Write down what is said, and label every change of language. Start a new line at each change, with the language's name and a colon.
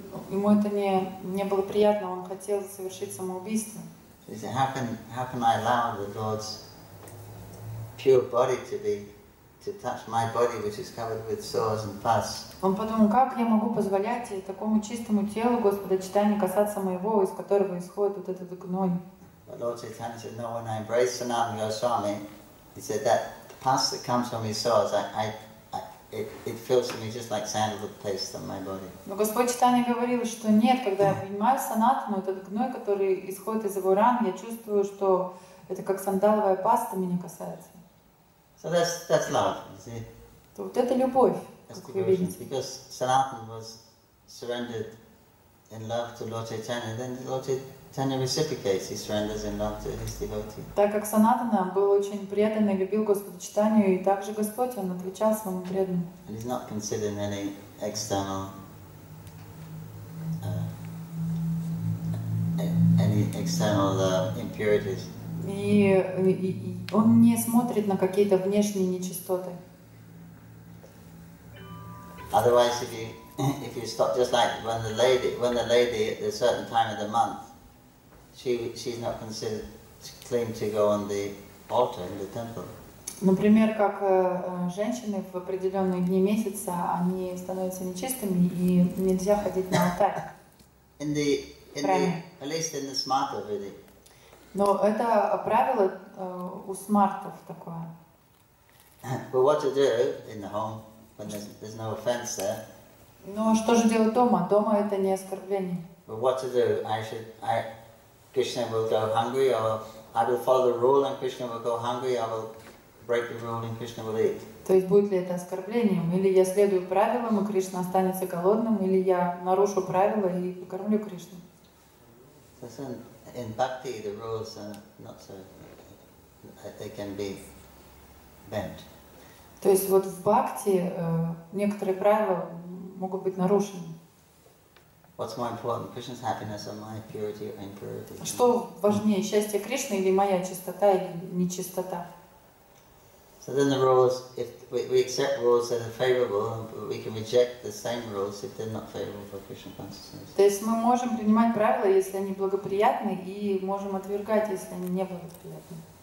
Russian: Ему это не было приятно, он хотел совершить самоубийство.
English: He said, how can I allow the Lord's pure body to touch my body, which is covered with sores and pus?
Russian: Он подумал, как я могу позволять такому чистому телу Господа Читания касаться моего, из которого исходит вот этот гной?
English: But Lord Chaitanya said, no, when I embrace Sanatana Goswami, he said that the pus that comes from his sores, it feels to me just like sandalwood paste on my body.
Russian: Но Господь Читание говорил, что нет, когда я принимаю санатану, этот гной, который исходит из его ран, я чувствую, что это как сандаловая паста меня касается.
English: So that's love, you see.
Russian: То вот это любовь, как вы видите.
English: Because Sanatana was surrendered in love to Lord Chaitanya, then Lord Chaitanya reciprocates, he surrenders in love to his devotee.
Russian: Так как Санатана был очень предан и любил Господа Читанию, и также Господь, он отвечал своему преданному.
English: And he's not considering any external impurities.
Russian: И он не смотрит на какие-то внешние нечистоты.
English: Otherwise, if you stop, just like when the lady at a certain time of the month, She's not considered to claim to go on the altar in the temple.
Russian: Например, как женщины в определенные дни месяца они становятся нечистыми и нельзя ходить на алтарь.
English: At least in the smart of it.
Russian: Но это правило у смартов такое.
English: But what to do in the home when there's no offense there?
Russian: Но что же делать дома? Дома это не оскорбление.
English: But what to do? Krishna will go hungry, or I will follow the rule and Krishna will go hungry, I will break the rule and Krishna will eat.
Russian: То есть будет ли это оскорблением? Или я следую правилам, и Кришна останется голодным, или я нарушу правила и покормлю Кришну?
English: In bhakti, the rules are not so... they can be bent.
Russian: То есть вот в бхакти некоторые правила могут быть нарушены.
English: What's more important, Krishna's happiness or my purity or impurity?
Russian: Что важнее, счастье Кришны или моя чистота или нечистота?
English: So then the rules, if we accept rules that are favorable, we can reject the same rules if they're not favorable for Krishna consciousness.
Russian: То есть мы можем принимать правила, если они благоприятны, и можем отвергать, если они не благоприятны.